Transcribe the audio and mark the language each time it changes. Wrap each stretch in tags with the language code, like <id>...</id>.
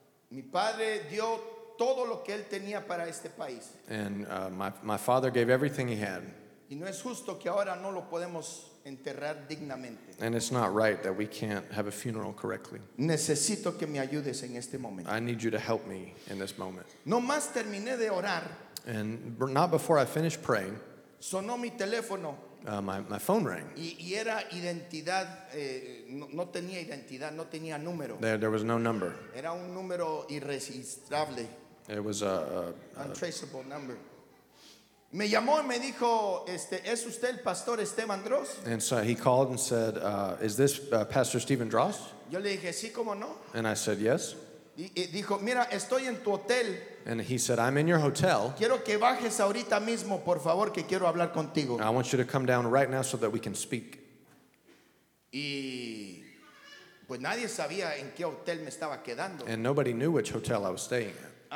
<es>Mi padre dio todo lo que él tenía para este país.</es> <en>And my father gave everything he had.</en> <es>Y no es justo que ahora no lo podemos enterrar dignamente.</es> <en>And it's not right that we can't have a funeral correctly.</en> <es>Necesito que me ayudes en este momento.</es> <en>I need you to help me in this moment.</en> <es>No más terminé de orar.</es> <en>And not before I finished praying.</en> <es>Sonó mi teléfono.</es> <en>My phone rang.</en> <es>Y era identidad, no tenía identidad, no tenía número.</es> <en>There was no number.</en> <es>Era un número irregistrable.</es> <en>It was a untraceable number.</en> <es>Me llamó y me dijo, ¿es usted el pastor Esteban Dross?</es> <en>And so he called and said, is this Pastor Stephen Dross?</en> <es>Yo le dije, sí, ¿cómo no?</es> <en>And I said, yes.</en> <es>Y dijo, mira, estoy en tu hotel.</es> <en>And he said, I'm in your hotel.</en> <es>Quiero que bajes ahorita mismo, por favor, que quiero hablar contigo.</es> <en>I want you to come down right now so that we can speak.</en> <es>Y pues nadie sabía en qué hotel me estaba quedando.</es> <en>And nobody knew which hotel I was staying at.</en>